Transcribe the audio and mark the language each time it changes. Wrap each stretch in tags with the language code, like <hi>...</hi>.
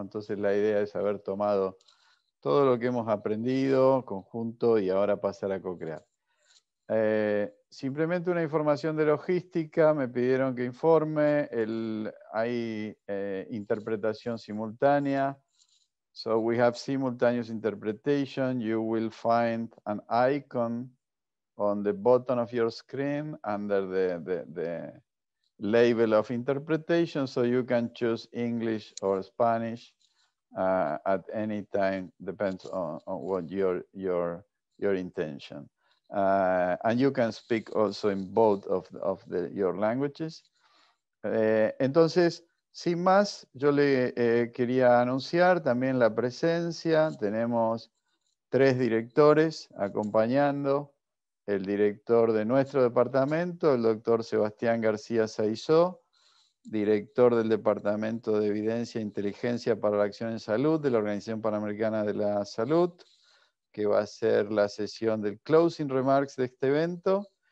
<es>Entonces la idea es haber tomado todo lo que hemos aprendido conjunto y ahora pasar a co-crear. Simplemente una información de logística, me pidieron que informe, hay interpretación simultánea.</es> <en>So we have simultaneous interpretation, you will find an icon on the bottom of your screen, under the label of interpretation, so you can choose English or Spanish at any time, depends on what your intention. And you can speak also in both of your languages.</en> <es>Entonces, sin más, yo le quería anunciar también la presencia. Tenemos tres directores acompañando. El director de nuestro departamento, el doctor Sebastián García Saizó, director del Departamento de Evidencia e Inteligencia para la Acción en Salud de la Organización Panamericana de la Salud, que va a ser la sesión del closing remarks de este evento.</es>